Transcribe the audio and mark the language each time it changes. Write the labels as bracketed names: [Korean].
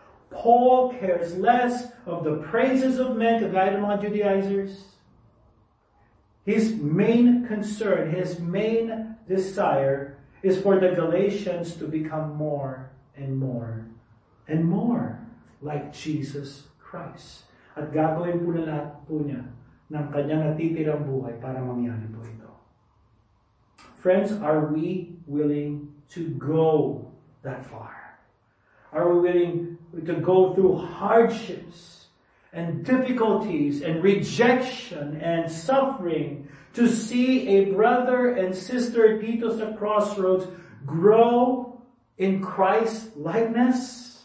[English] Paul cares less of the praises of men to guide among Judaizers. His main concern, his main desire is for the Galatians to become more and more and more like Jesus Christ. [Filipino] At gagawin po na lahat po niya ng kanyang natitirang buhay para mangyari po ito. [English] Friends, are we willing to go that far? Are we willing to go through hardships and difficulties and rejection and suffering to see a brother and sister [Filipino] dito sa crossroads [English] grow in Christ-likeness?